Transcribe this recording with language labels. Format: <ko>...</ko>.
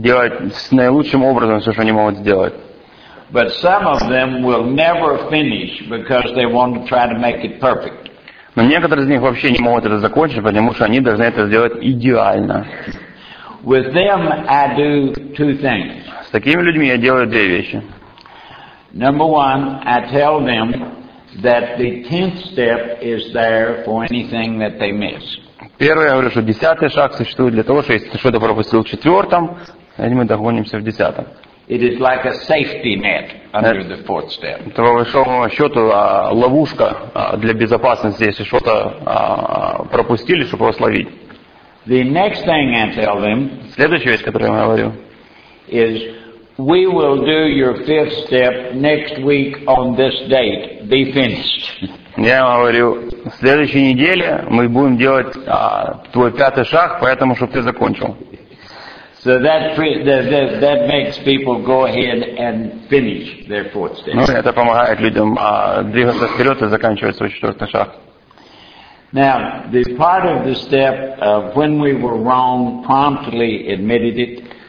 <ru>Делать с наилучшим образом все, что они могут сделать.</ru> <en>But some of them will never finish because they want to try to make it perfect.</en> <ru>Но некоторые из них вообще не могут это закончить, потому что они должны это сделать идеально.</ru> <en>With them I do two things.</en> <ru>С такими людьми я делаю две вещи.</ru> <en>Number one, I tell them that the tenth step is there for anything that they miss.</en> <ru>Первое, я говорю, что десятый шаг существует для того, что если ты что-то пропустил в четвертом, мы догонимся в десятом.</ru> <en>It is like a safety net under the fourth step.</en> <ru>Это, по большому счету, ловушка для безопасности, если что-то пропустили, чтобы прославить.</ru> <en>The next thing I tell them,</en> <ru>следующая вещь, которую я говорю,</ru> <en>is we will do your fifth step next week on this date. Be finished.</en> <ru>Я говорю, в следующей неделе мы будем делать твой пятый шаг, поэтому чтобы ты закончил.</ru> <en>So that makes people go ahead and finish their fourth step.</en> <ru>Ну, это помогает людям двигаться вперед и заканчивать свой четвертый шаг.</ru> <en>Now, the part of the step of when we were wrong, promptly admitted it.</en>